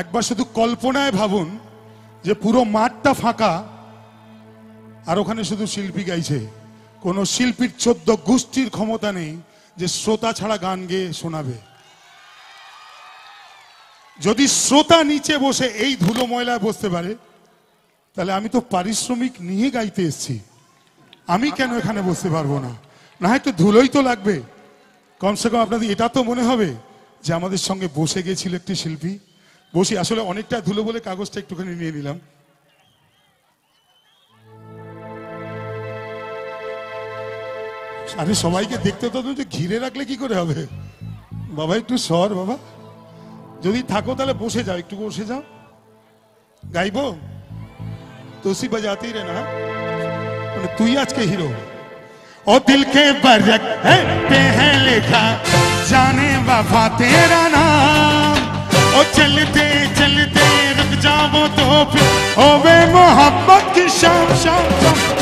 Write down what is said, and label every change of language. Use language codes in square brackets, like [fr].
[bn] শুধু কল্পনায় ভাবুন যে পুরো মাঠটা ফাঁকা আর ওখানে শুধু শিল্পী গাইছে কোন শিল্পীর 14 গুষ্ঠীর ক্ষমতা নেই যে শ্রোতা ছাড়া গান গেয়ে শোনাবে। যদি শ্রোতা নিচে বসে এই ধুলো ময়লায় বসতে পারে তাহলে আমি তো পারিশ্রমিক নিয়ে গাইতে এসেছি, আমি কেন এখানে বসতে পারবো না? না হয় তো ধুলোই তো লাগবে, কমসে কম আপনাদের এটা তো মনে হবে যে আমাদের সঙ্গে বসে গেছিল একটি শিল্পী। বসি আসলে অনেকটা ধুলো বলে কাগজটা একটুখানি নিয়ে নিলাম। আরে সবাইকে দেখতে তো তুমি ঘিরে রাখলে কি করে হবে বাবা, একটু সর বাবা, যদি থাকো তাহলে বসে যাও, একটু বসে যাও, গাইবো [hi] तो उसी बजाती रहना है, तू ही आज के हीरो। ओ दिल के बरक है पे है लिखा जाने वफा तेरा नाम, ओ चलते चलते रुक जाओ तो फिर ओ वे मोहब्बत की शाम शाम शाम।